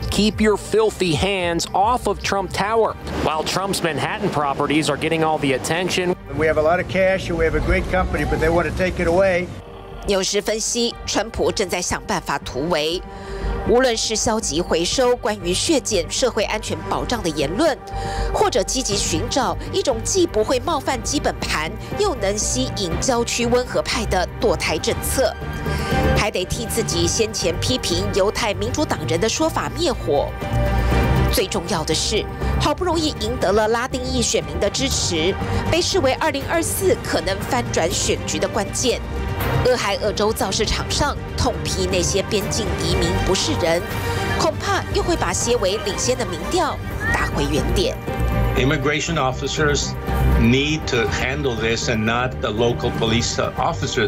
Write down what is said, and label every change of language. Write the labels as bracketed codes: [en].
[en] Keep your filthy hands off of Trump Tower. While Trump's Manhattan properties are getting all the attention, we have a lot of cash and we have a great company, but they want to take it away. [zh] 有时分析，川普正在想办法突围。无论是消极回收关于削减社会安全保障的言论，或者积极寻找一种既不会冒犯基本盘，又能吸引郊区温和派的堕胎政策，还得替自己先前批评犹太民主党人的说法灭火。最重要的是，好不容易赢得了拉丁裔选民的支持，被视为2024可能翻转选局的关键。俄亥俄州造势场上痛批那些边境移民不是人，恐怕又会把些微领先的民调打回原点。 [en] Immigration officers need to handle this and not the local police officer.